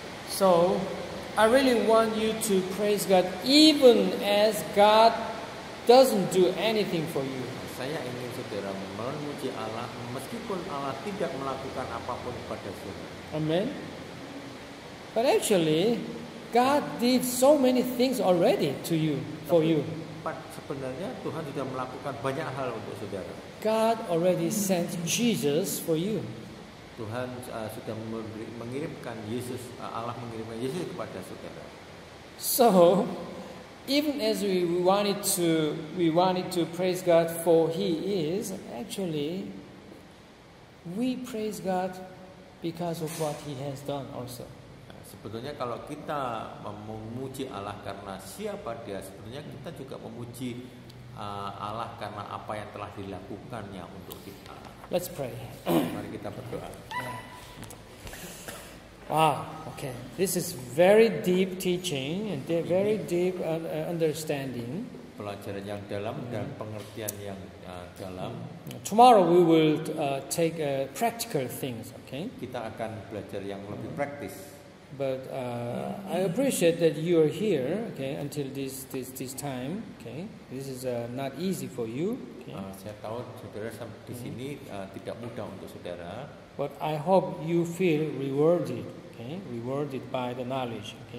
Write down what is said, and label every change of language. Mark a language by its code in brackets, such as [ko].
[en] So I really want you to praise God even as God doesn't do anything for you. [id] Saya ingin saudara memuji Allah meskipun Allah tidak melakukan apapun kepada saudara. [en] Amen. But actually, God did so many things already to you, for you. [id] Sebenarnya Tuhan sudah melakukan banyak hal untuk saudara. [en] God already sent Jesus for you. [id] Tuhan sudah mengirimkan Yesus, Allah mengirimkan Yesus kepada saudara. [en] So, even as we wanted to praise God for He is, actually, we praise God because of what He has done also. [id] Sebetulnya kalau kita memuji Allah karena siapa Dia, sebetulnya kita juga memuji Allah karena apa yang telah dilakukannya untuk kita. [en] Let's pray. [id] Mari kita berdoa. [en] Wow, okay. This is very deep teaching and very deep understanding. [id] Pelajaran yang dalam dan pengertian yang dalam. [en] Tomorrow we will take practical things, okay? [id] Kita akan belajar yang lebih praktis. [en] But I appreciate that you are here, okay, until this time, okay? This is not easy for you. Okay? [id] Okay. Saya tahu saudara di sini tidak mudah untuk saudara. [en] But I hope you feel rewarded, okay? Rewarded by the knowledge, okay?